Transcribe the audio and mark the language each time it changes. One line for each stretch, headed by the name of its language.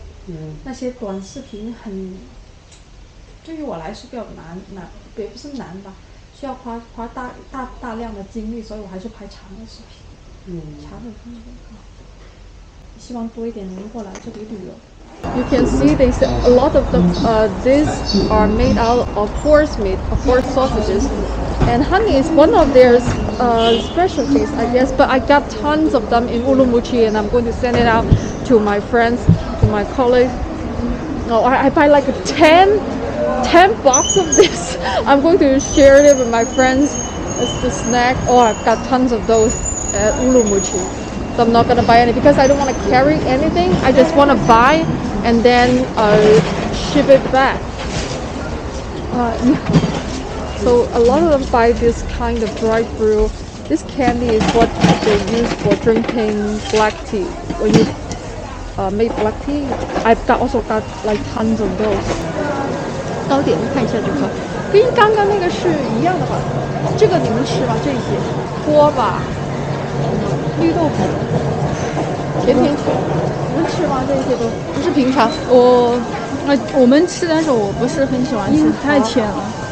Chinese: 嗯，那些短视频很，对于我来说比较难，也不是难吧，需要花大量的精力，所以我还是拍长的视频。嗯，长的视频啊，希望多一点人过来这里旅游。
English: You can see there's a lot of them. These are made out of horse meat, of horse sausages, and honey is one of their specialties, I guess. But I got tons of them in Urumqi, and I'm going to send it out to my friends, to my colleagues. No, I buy like 10 boxes of this. I'm going to share it with my friends as the snack. Oh, I've got tons of those at Urumqi. So I'm not going to buy any because I don't want to carry anything. I just want to buy and then ship it back. So a lot of them buy this kind of dry brew. This candy is what they use for drinking black tea. When you make black tea, I've also got like tons of those.
Chinese: 糕点，看一下这个，跟刚刚那个是一样的吧？这个你们吃吧，这些锅吧。绿豆腐、甜甜圈，你们吃吗？这些都不是平常我们吃，但是我不是很喜欢吃，太甜了。